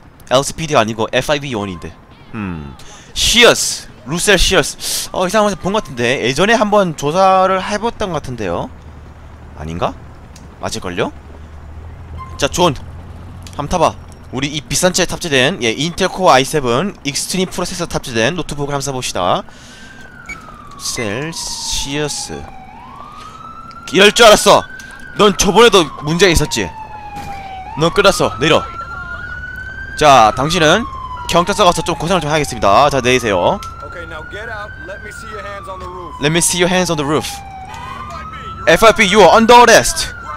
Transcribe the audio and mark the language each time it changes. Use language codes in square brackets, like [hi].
[ko] LCPD가 아니고 FIB 요원인데. Shears, 루셀 Shears. 이 사람 어디서 본 것 같은데. 예전에 한번 조사를 해봤던 것 같은데요. 아닌가? 맞을걸요? 자, 존, 한번 타봐. 우리 이 비싼 차에 탑재된 예 인텔 코어 i7 익스트림 프로세서 탑재된 노트북을 한번 써봅시다. 셀시어스. 이럴 줄 알았어. 넌 저번에도 문제가 있었지. 넌 끝났어. 내려. 자, 당신은 경찰서 가서 좀 고생을 좀 해야겠습니다. 자, 내리세요. [en] Okay, now get out. Let me see your hands on the roof. Let me see your hands on the roof. FIP, you are under arrest.